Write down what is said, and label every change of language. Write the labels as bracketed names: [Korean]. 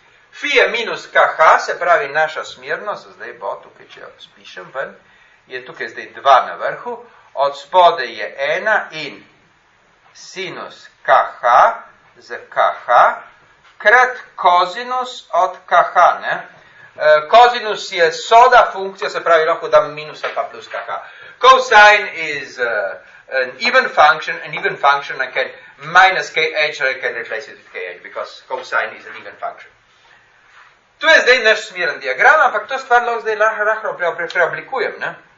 [Slovenian] Fi je minus kh, se pravi naša smernost, zdaj bo tukaj, če jo spišem ven, je tukaj zdaj 2 na vrhu, od spode je 1 in sinus kh z kh krat kozinus od kh, ne? Kozinus je soda funkcija, se pravi lahko dam minus pa plus kh. [English] Cosine is an even function, I can minus kh, or I can replace it with kh, because cosine is an even function. [Slovenian] To je zdaj naš smeren diagram, ampak to stvar lahko zdaj rahlo preoblikujem, ne?